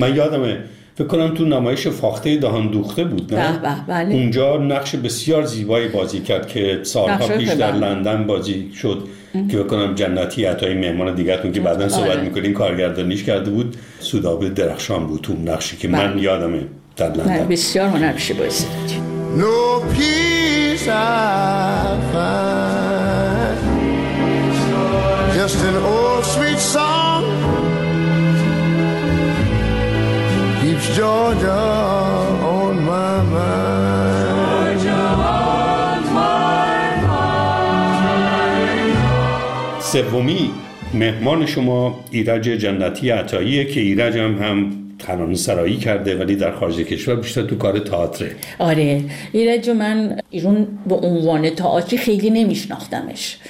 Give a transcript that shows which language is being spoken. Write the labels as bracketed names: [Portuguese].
[Persian] من یادمه فکر کنم تو نمایش فاخته دهان دوخته بود، نه؟ بح بح بله. اونجا نقش بسیار زیبایی بازی کرد که سالها پیش در لندن بازی شد که فکر کنم جنتی عطای مهمان دیگر تون که بعدن صحبت میکنیم کارگردانیش کرده بود. سودابه درخشان بود تو نقشی که من یادمه در لندن. بسیار هنرمند بازی کرد. [English] No peace I find, just an old sweet song keeps Georgia on my mind. Georgia on my mind. [Persian] سومی مهمان شما ایرج جنتی عطاییه که ایرج هم ترانه سرایی کرده ولی در خارج کشور بیشتر تو کار تئاتره. آره ایرج، من ایرون به عنوان تئاتری خیلی نمیشناختمش.